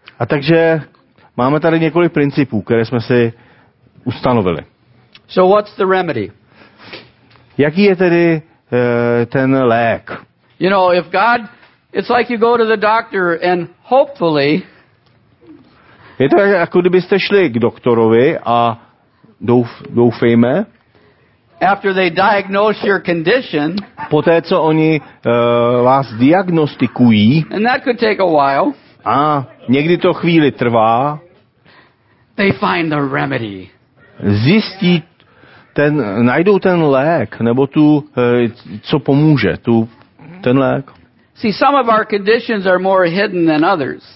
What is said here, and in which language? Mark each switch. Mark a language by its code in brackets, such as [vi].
[cs] A takže máme tady několik principů, které jsme si ustanovili. [en] So what's the remedy? [cs] Jaký je tedy ten lék? [en] You know, if God, it's like you go to the doctor and hopefully. [cs] Je to jako kdybyste šli k doktorovi a doufejme. [en] After they diagnose your condition, [cs] poté co oni vás diagnostikují, [en] and that could take a while, [cs] a někdy to chvíli trvá, [en] they find the remedy. [cs] Zjistí ten, najdou ten lék, nebo tu, co pomůže, tu ten lék. [en] See, some of our conditions are more hidden than others.